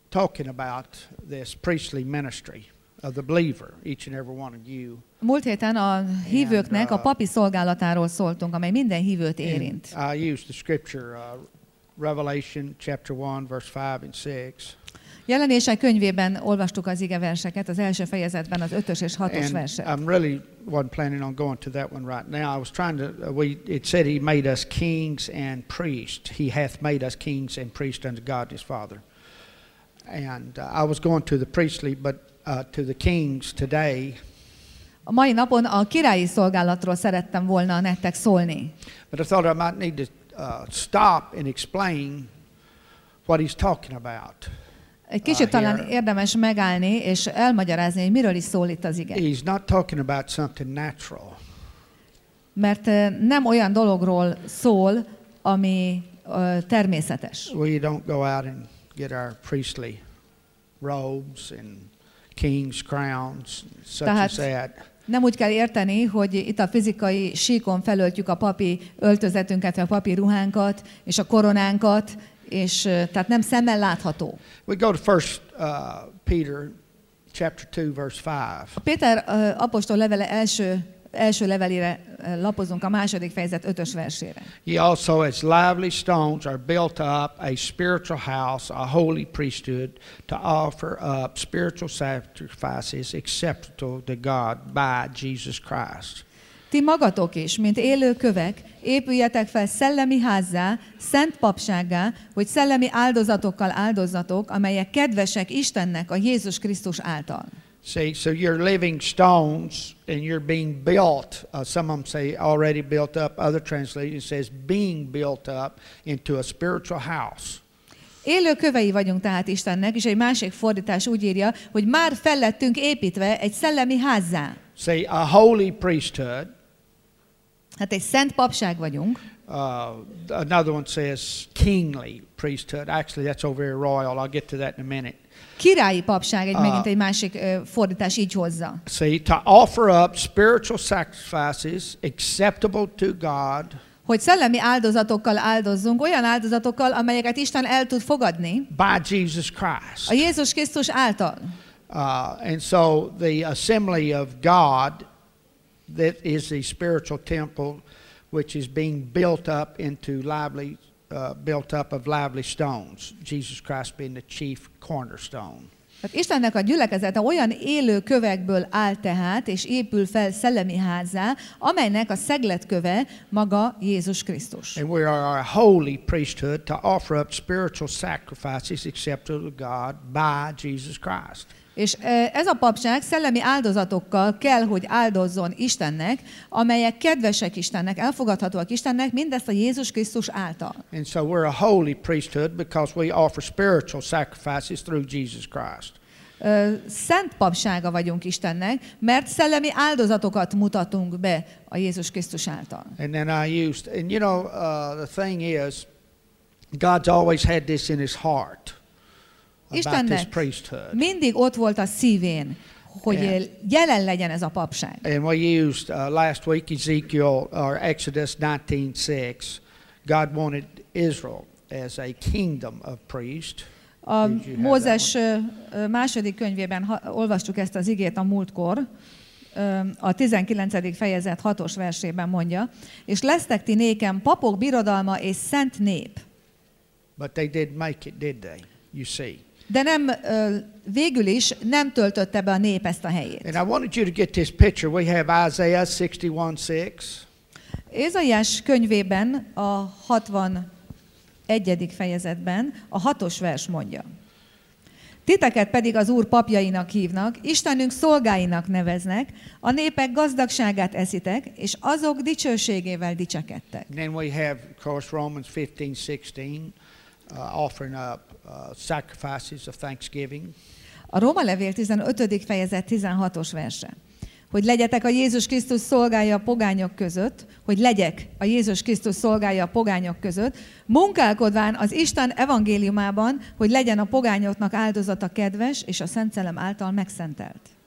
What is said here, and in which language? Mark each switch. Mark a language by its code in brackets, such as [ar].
[en] talking about this priestly ministry of the believer, each and every one of you. [hu] Múlt héten a hívőknek a papi szolgálatáról szóltunk, amely minden hívőt érint. [en] I used the scripture Revelation chapter 1 verse 5 and 6. [hu] Jelenések könyvében olvastuk az ige verseket, az első fejezetben az 5-ös és 6-os verset. [en] I'm really wasn't planning on going to that one right now. I was trying to it said he made us kings and priests. He hath made us kings and priests unto God his Father. And I was going to the priestly but to the kings today. [hu] A mai napon a királyi szolgálatról szerettem volna nektek szólni. [en] But I thought I might need to stop and explain what he's talking about. [hu] Egy kicsit talán érdemes megállni és elmagyarázni, hogy miről is szól itt az ige. [en] He's not talking about something natural. [hu] Mert nem olyan dologról szól, ami természetes. [en] We don't go out and get our priestly robes and king's crowns such as that. [hu] Nem úgy kell érteni, hogy itt a fizikai síkon felöltjük a papi öltözetünket, vagy a papi ruhánkat és a koronánkat, és tehát nem szemmel látható. [en] We go to 1 Peter chapter 2 verse 5. [hu] A Péter apostol levele első levelére lapozunk, a második fejezet 5-ös versére. [en] Ye also as lively stones are built up a spiritual house, a holy priesthood, to offer up spiritual sacrifices acceptable to God by Jesus Christ. [hu] Ti magatok is, mint élő kövek, épüljetek fel szellemi házzá, szent papsággá, hogy szellemi áldozatokkal áldozzatok, amelyek kedvesek Istennek a Jézus Krisztus által. [en] See, so you're living stones and you're being built, some of them say already built up, other translation says being built up into a spiritual house. [hu] Élő kövei vagyunk tehát Istennek, és egy másik fordítás úgy írja, hogy már fellettünk építve egy szellemi házzá. [en] Say a holy priesthood. [hu] Hát egy szent papság vagyunk. [en] Another one says kingly priesthood. Actually, that's over here royal. I'll get to that in a minute. [hu] Királyi papság, megint egy másik fordítás így hozza. [en] See, to offer up spiritual sacrifices acceptable to God. [hu] Hogy szellemi áldozatokkal áldozzunk, olyan áldozatokkal, amelyeket Isten el tud fogadni. [en] By Jesus Christ. [hu] A Jézus Krisztus által. [en] And so the assembly of God that is the spiritual temple which is being built up into lively built up of lively stones, Jesus Christ being the chief cornerstone. [hu] Tehát Istennek a gyülekezete olyan élő kövekből áll tehát, és épül fel szellemi házzá, amelynek a szegletköve maga Jézus Krisztus. [en] And we are a holy priesthood to offer up spiritual sacrifices acceptable to God by Jesus Christ. [hu] És ez a papság szellemi áldozatokkal kell, hogy áldozzon Istennek, amelyek kedvesek Istennek, elfogadhatóak Istennek, mindezt a Jézus Krisztus által. [en] And so we're a holy priesthood because we offer spiritual sacrifices through Jesus Christ. [hu] Szent papsága vagyunk Istennek, mert szellemi áldozatokat mutatunk be a Jézus Krisztus által. [en] And then I used, and you know, the thing is, God's always had this in his heart. [hu] Istennek mindig ott volt a szívén, hogy jelen legyen ez a papság. [en] And we used last week Ezekiel or Exodus 19:6. God wanted Israel as a kingdom of priests. [hu] A Mózes második könyvében olvastuk ezt az igét a múltkor. A 19. fejezet 6-os versében mondja, és lesztek ti nékem papok birodalma és szent nép. [en] But they didn't make it, did they? You see. [hu] De nem végül is nem töltötte be a nép ezt a helyét. [en] And I wanted you to get this picture. We have Isaiah 61:6. [hu] Ézaiás könyvében a 61. fejezetben a 6-os vers mondja. Titeket pedig az Úr papjainak hívnak, Istenünk szolgáinak neveznek, a népek gazdagságát eszitek, és azok dicsőségével dicsekedtek. [en] And then we have, of course, Romans 15:16. Offering up sacrifices of thanksgiving. [hu] A Róma levél 15. fejezet 16-os verse. Hogy legyetek a Jézus Krisztus szolgája a pogányok között, munkálkodván az Isten evangéliumában, hogy legyen a pogányoknak áldozata kedves és a Szent Szellem által megszentelt.